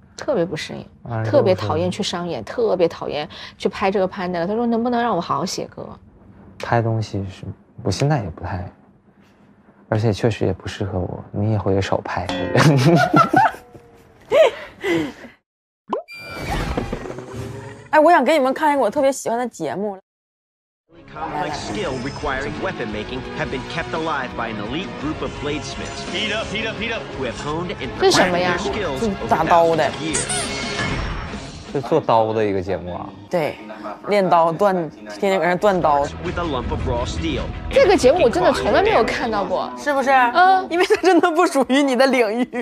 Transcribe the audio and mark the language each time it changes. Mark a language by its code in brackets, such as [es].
[zh] 特别不适应，特别讨厌去商演，特别讨厌去拍这个拍那个。他说能不能让我好好写歌，拍东西是我现在也不太，而且确实也不适合我，你以后也少拍。哎，我想给你们看一个我特别喜欢的节目。 [en] Complex skill requiring weapon making have been kept alive by an elite group of bladesmiths. Heat up, heat up, heat up. We have honed and perfected their skills over the past few years. [zh] 是做刀的一个节目啊？对，练刀断，天天搁那断刀。 [en] With a lump of raw steel. [zh] 这个节目我真的从来没有看到过，是不是？嗯，因为它真的不属于你的领域。